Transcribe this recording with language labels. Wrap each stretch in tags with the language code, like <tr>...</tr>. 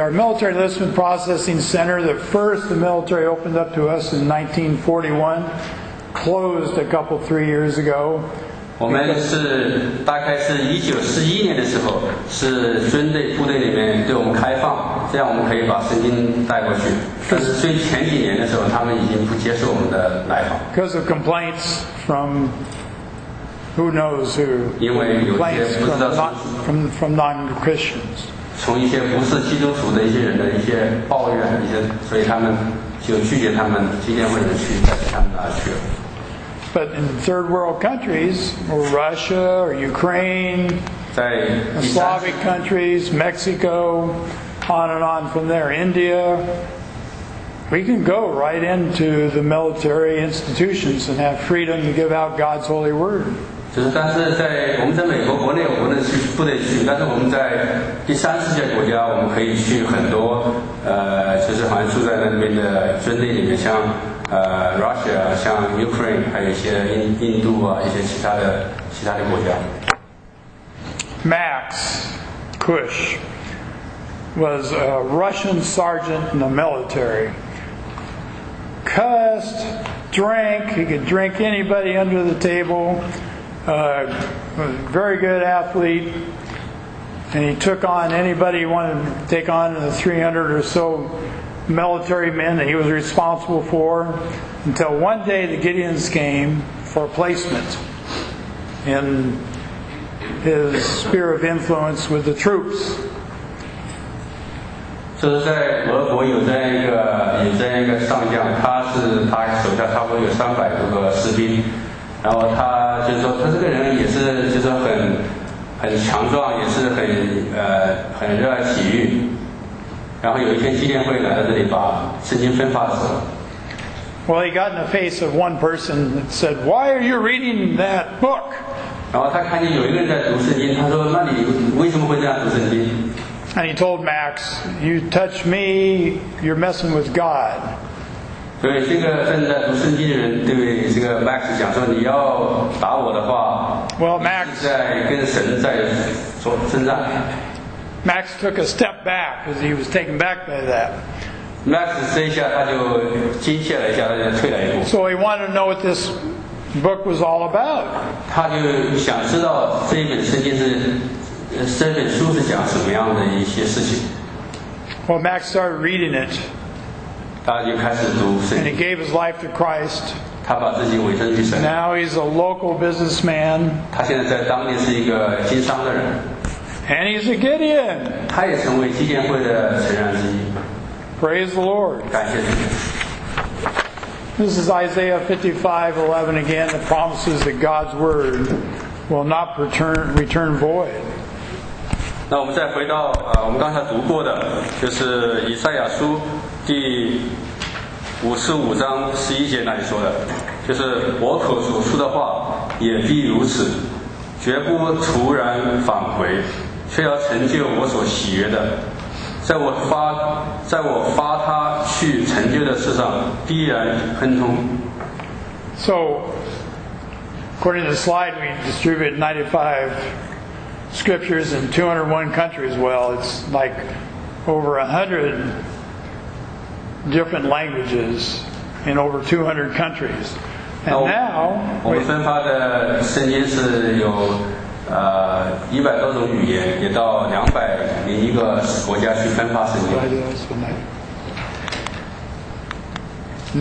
<en>Our military enlistment processing center that first the military opened up to us in 1941 closed a couple, 3 years ago.</en> <zh>我们是大概是1941年的时候是军队部队里面对我们开放，这样我们可以把圣经带过去，但是最前几年的时候他们已经不接受我们的来访。</zh> <en>Because of complaints from who knows who,</en> <zh>因为有些不知道</zh> <en>from non-Christians,</en> <zh>从一些不是基督徒的一些人的一些抱怨，一些所以他们就拒绝他们纪念会的去带他们而去了。</zh> <en>But in third world countries, or Russia, or Ukraine, Slavic countries, Mexico, on and on from there, India, we can go right into the military institutions and have freedom to give out God's holy word.</en> <zh>就是但是在我们在美国国内我们是不得去，但是我们在第三世界国家我们可以去很多就是好像住在那边的军队里面，像Russia, 像 Ukraine, 还有一些 印度啊，一些其他的国家。</zh> <en>Max Kush was a Russian sergeant in the military. Cussed, drank, he could drink anybody under the table. A very good athlete. And he took on anybody he wanted to take on in the 300 or so. Military men that he was responsible for until one day the Gideons came for a placement in his sphere of influence with the troops.</en> <zh>就是在俄国有这样一个上将，他手下差不多有300多个士兵，然后他就是说他这个人也是就是很强壮，也是很热爱体育。然后有一天纪念会来到这里把圣经分发的时候</zh> <en>Well, he got in the face of one person that said, Why are you reading that book?</en> <zh>然后他看见有一个人在读圣经，他说那你为什么会这样读圣经？</zh> <en>And he told Max, You touch me, you're messing with God.</en> <zh>对这个正在读圣经的人对这个 Max 讲说你要打我的话</zh> <en>Well, Max</en> <zh>在跟神在做征战。</zh> <en>Max took a step back as he was taken back by that.</en> <zh>Max 这一下他就惊吓了一下，他就退了一步。</zh> <en>So he wanted to know what this book was all about.</en> <zh>他就想知道这本书是讲什么样的一些事情。</zh> <en>Well, Max started reading it.</en> <zh>他就开始读圣经。</zh> <en>And he gave his life to Christ.</en> <zh>他把自己委身于神。</zh> <en>Now he's a local businessman.</en> <zh>他现在在当地是一个经商的人。</zh> <en>And he's a Gideon.</en> <zh>他也成为基甸会的成员之一。</zh> <en>Praise the Lord.</en> <zh>感谢主。</zh> <en>This is Isaiah 55:11 again. The promises that God's word will not return void.</en> <zh>那我们再回到我们刚才读过的，就是以赛亚书第55:11那里说的，就是我口所出的话也必如此，绝不突然返回。却要成就我所喜悦的，在我发他去成就的事上必然亨通。</zh> <en>So according to the slide we distributed 95 scriptures in 201 countries. Well, it's like over 100 different languages in over 200 countries. And now</en> <zh>我们分发的圣经是有100多种语言，也到201个国家去分发圣经。</zh>